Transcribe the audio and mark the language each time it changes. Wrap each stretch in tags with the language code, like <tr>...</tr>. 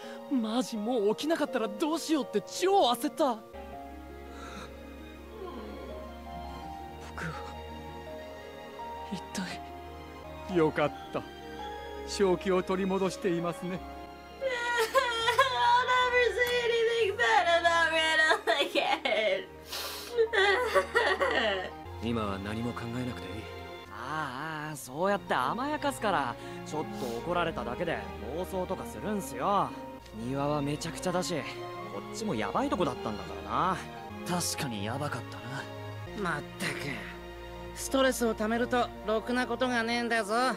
<ja>マジもう起きなかったらどうしようって超焦った。一体よかった、正気を取り戻していますね。</ja> <en>I'll never say anything bad about Riddle again。</en> <ja>今は何も考えなくていい。ああ、そうやって甘やかすからちょっと怒られただけで暴走とかするんすよ。庭はめちゃくちゃだし、こっちもヤバいとこだったんだからな。確かにヤバかったな。まったくストレスをためるとろくなことがねえんだぞ。</ja>